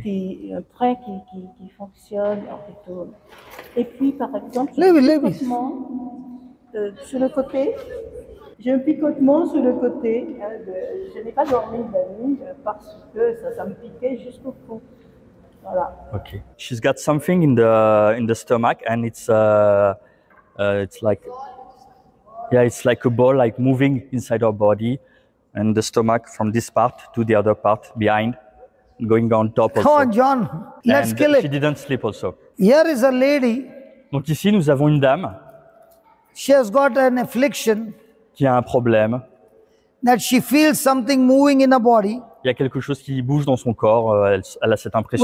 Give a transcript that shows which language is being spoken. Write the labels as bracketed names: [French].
[French] Et un train qui fonctionne en fait. Et puis par exemple, sur le côté, j'ai un picotement sur le côté. Hein, je n'ai pas dormi la nuit parce que ça me piquait jusqu'au cou. [English] Okay, she's got something in the stomach, and it's like a ball, like moving inside her body, and the stomach from this part to the other part behind, going on top. Come on, John, let's kill it. She didn't sleep also. Here is a lady. [French] Donc ici nous avons une dame. [English] She has got an affliction. [French] Qui a un problème. [English] That she feels something moving in her body. [French] Il y a quelque chose qui bouge dans son corps, elle a cette impression.